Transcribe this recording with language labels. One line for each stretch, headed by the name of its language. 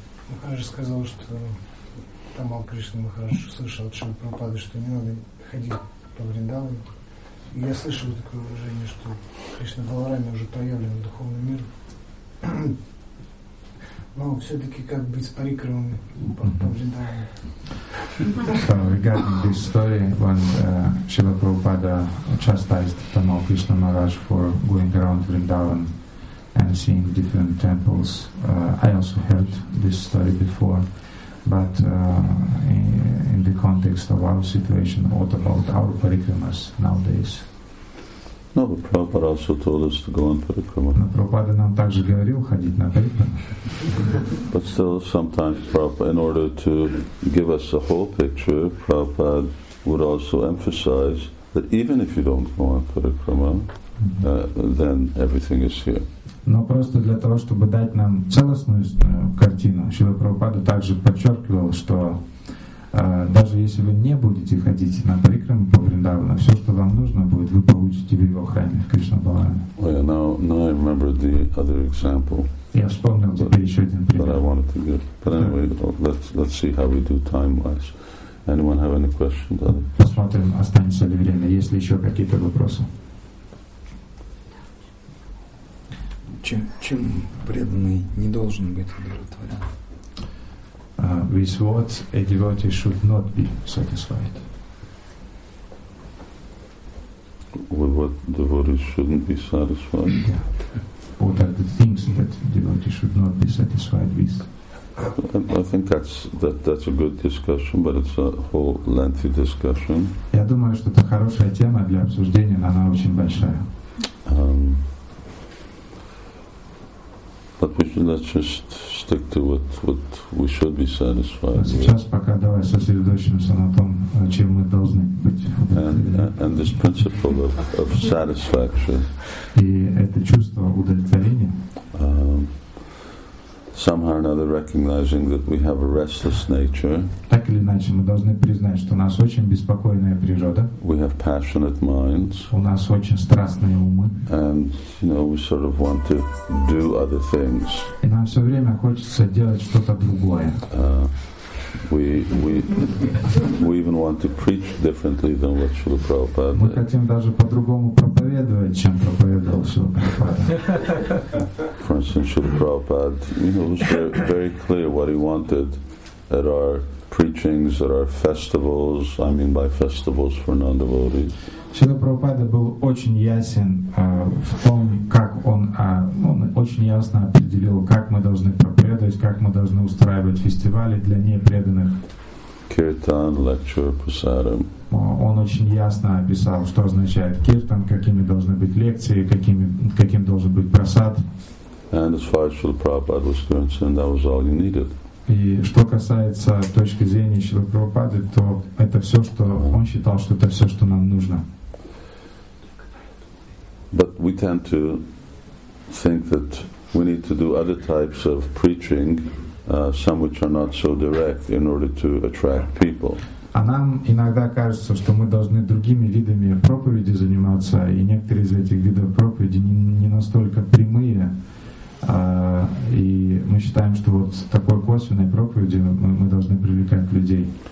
Russian: Махараджа сказал, что Тамал Кришна Махарадж услышал от Шрилы Прабхупады, что не надо ходить по Вриндаву. И я слышал такое выражение, что Кришна Баларами уже проявлен в духовный мир. Но все-таки как быть с парикрамом по Вриндаву?
English: So regarding this story, when Shiva Prabhupada chastised Tamal Krishna Maharaj for going around Vrindavan and seeing different temples, I also heard this story before, but in the context of our situation, what about our parikramas nowadays? No, but Prabhupada also told us to go on parikrama.
Russian: Но Прабхупада нам также говорил ходить на парикраму.
English: But still, sometimes Prabhupada, in order to give us the whole picture, Prabhupada would also emphasize that even if you don't go on parikrama, then everything is here.
Russian: Но просто для того, чтобы дать нам целостную картину, Шрила Прабхупада также подчеркивал, что даже если вы не будете ходить на парикраму по Вриндавану, все, что вам нужно будет, вы получите в его храме, в Кришна Баларами.
English: Oh yeah, now I remember the other example.
Russian: Я вспомнил теперь еще один пример.
English: But I wanted to give. But anyway, let's see how we do time-wise. Anyone have any questions?
Russian: Посмотрим, останется ли время, есть ли еще какие-то вопросы. Чем преданный не должен быть удовлетворен?
English: With what a devotee should not be satisfied. With what devotees shouldn't be satisfied? Yeah. What are the things that devotees should not be satisfied with? I think that's a good discussion, but it's a whole lengthy discussion. Я думаю, что это хорошая тема для обсуждения, но она очень большая. But we should not just stick to what we should be satisfied with.
Russian: Сейчас пока давай сосредоточимся на том, чем мы должны быть.
English: And this principle of satisfaction.
Russian: И это чувство удовлетворения.
English: Somehow or another, recognizing that we have a restless nature.
Russian: Так или иначе, мы должны признать, что у нас очень беспокойная природа.
English: We have passionate minds.
Russian: У нас очень страстные умы.
English: And you know, we sort of want to do other things.
Russian: И нам все время хочется делать что-то другое.
English: We even want to preach differently than what Srila Prabhupada did.
Russian: Мы хотим даже по-другому проповедовать, чем проповедовал Srila Prabhupada.
English: For instance, Srila Prabhupada, you know, it was very clear what he wanted at our preachings, at our festivals, I mean by festivals for non-devotees.
Russian: Srila Prabhupada был очень ясен в том, как он очень ясно определил, как мы должны проповедовать, как мы должны устраивать фестивали для непреданных.
English: Kirtan, lecture, prasadam.
Russian: Он очень очень ясно описал, что означает киртан, какими должны быть лекции, каким должен быть просад.
English: And as far as Srila Prabhupada was concerned, that was all you needed.
Russian: И что касается точки зрения Шрилы Прабхупады, то это все, что он считал, что это все, что нам нужно.
English: But we tend to think that we need to do other types of preaching, some which are not so direct, in order to attract people.
Russian: А нам иногда кажется, что мы должны другими видами проповеди заниматься, и некоторые из этих видов проповеди не настолько прямые. И мы считаем, что вот такой косвенной проповеди мы должны привлекать людей.